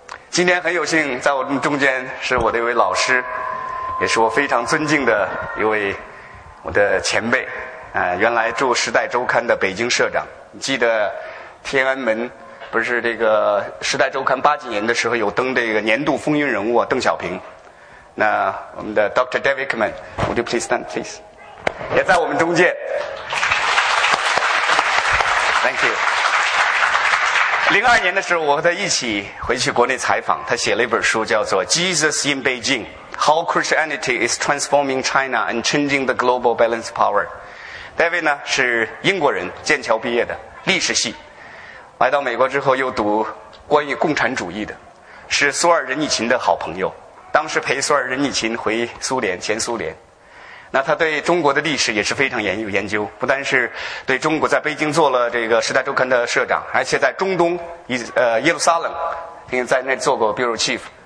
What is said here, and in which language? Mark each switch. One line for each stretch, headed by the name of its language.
Chinese: 今天很有幸在我们中间是我的一位老师，也是我非常尊敬的一位我的前辈，原来驻时代周刊的北京社长。记得天安门不是这个时代周刊八几年的时候有登这个年度风云人物邓小平，那我们的 Dr.
English: David Kman Would you please stand please
Chinese: 也在我们中间。
English: Thank you。
Chinese: 2002年的时候我和他一起回去国内采访，他写了一本书叫做 Jesus in Beijing How Christianity is Transforming China and Changing the Global Balance Power。 David 呢是英国人，剑桥毕业的历史系，来到美国之后又读关于共产主义的，是苏尔仁尼琴的好朋友，当时陪苏尔仁尼琴回苏联，前苏联。那他对中国的历史也是非常研究，不单是对中国，在北京做了这个《时代周刊》的社长，而且在中东耶路撒冷，并且在那做过 Bureau Chief。